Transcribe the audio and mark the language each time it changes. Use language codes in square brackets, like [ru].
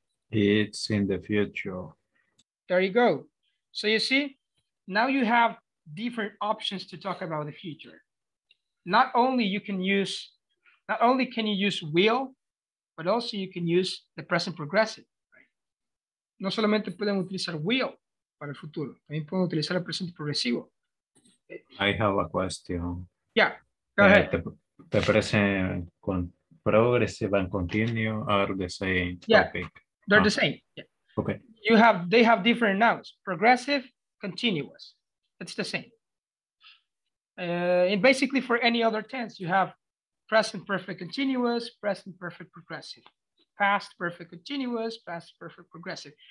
[en] It's in the future. There you go. So you see, now you have different options to talk about the future. Not only can you use will, but also you can use the present progressive. [es] No solamente pueden utilizar will para el futuro, también pueden utilizar el presente progresivo. [en] I have a question. Yeah, go ahead. The present con progressive and continue are the same topic. They're the same. Yeah. Okay. They have different nouns. Progressive, continuous. It's the same. And basically for any other tense, you have present perfect continuous, present perfect progressive, past perfect continuous, past perfect progressive.